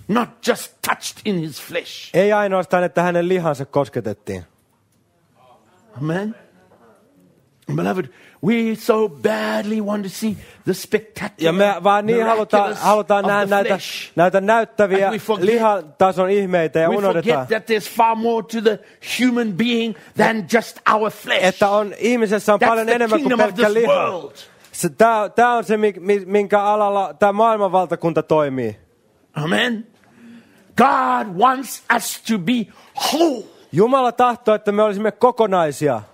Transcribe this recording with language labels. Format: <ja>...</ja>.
<en>Not just touched in his flesh.</en> <fi>Ei ainoastaan, että hänen lihansa kosketettiin.</fi> <en>Amen. Beloved, we so badly want to see the spectacular.</en> <fi>Ja me vaan niin halutaan nähdä näitä näyttäviä lihatason ihmeitä ja unohdetaan.</fi> <en>We forget that there's far more to the human being than just our flesh.</en> <fi>Että on ihmisessä on paljon enemmän kuin pelkkä liha. World. Tämä on se, minkä alalla tämä maailmanvaltakunta toimii.</fi> <en>Amen. God wants us to be whole.</en> <fi>Jumala tahtoo, että me olisimme kokonaisia.</fi>